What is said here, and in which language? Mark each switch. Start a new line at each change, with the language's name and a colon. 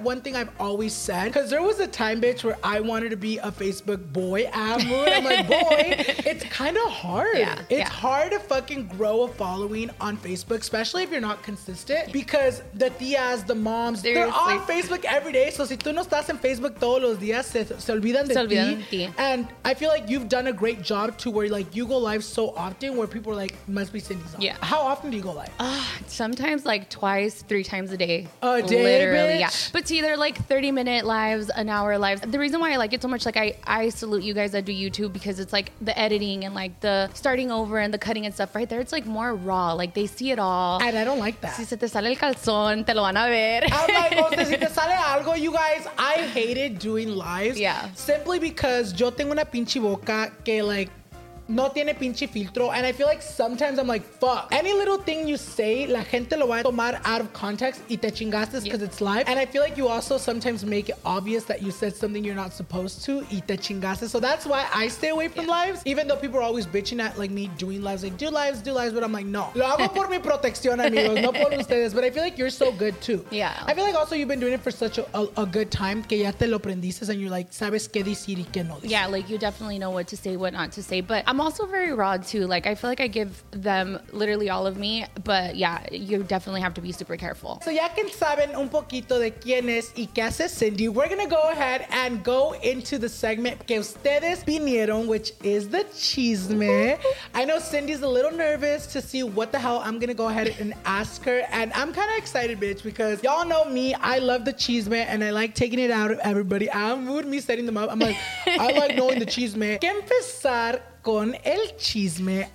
English: One thing I've always said, because there was a time, bitch, where I wanted to be a Facebook boy. I'm like, boy, it's kind of hard. Yeah, it's yeah. hard to fucking grow a following on Facebook, especially if you're not consistent. Because the tías, the moms, seriously, they're on Facebook every day.
Spanish: So si tú no estás en Facebook todos los días, se olvidan.
English: And I feel like you've done a great job to where like you go live so often where people are like, MustBeCindy's on. Yeah. How often do you go live? Sometimes like twice, 3 times a day. A day, literally, bitch. Yeah. But see, they're like 30-minute lives, an hour lives. The reason why I like it so much, like I salute you guys that do YouTube because it's like the editing and like the starting over and the cutting and stuff right there. It's like more raw. Like they see it all. And I don't like that.
Spanish: Si se te sale el calzón, te lo van a ver.
English: I'm like,
Spanish: si te sale algo,
English: you guys, I hated doing lives. Yeah. Simply because
Spanish: yo tengo una pinche boca que like, no tiene pinche filtro.
English: And I feel like sometimes I'm like, fuck. Any little thing you say,
Spanish: la gente lo va a tomar
English: out of context
Spanish: y te chingaste
English: because it's live. And I feel like you also sometimes make it obvious that you said something you're not supposed to
Spanish: y te chingaste.
English: So that's why I stay away from lives. Even though people are always bitching at like me doing lives, like do lives, but I'm like, no.
Spanish: Lo hago por mi protección, amigos, no por ustedes.
English: But I feel like you're so good too. Yeah. I feel like also you've been doing it for such a good time
Spanish: que ya te lo aprendiste
English: and you're like,
Spanish: sabes qué decir y qué no decir.
English: Yeah, like you definitely know what to say, what not to say. But I'm also very raw too. Like I feel like I give them literally all of me, but yeah, you definitely have to be super careful.
Spanish: So ya que saben un poquito de quién es y qué hace Cindy,
English: we're gonna go ahead and go into the segment
Spanish: que ustedes vinieron,
English: which is the chisme. I know Cindy's a little nervous to see what the hell I'm gonna go ahead and ask her, and I'm kind of excited, bitch, because y'all know me, I love the chisme and I like taking it out of everybody. I'm with me setting them up. I'm like, I like knowing the chisme.
Spanish: Que empezar con el chisme.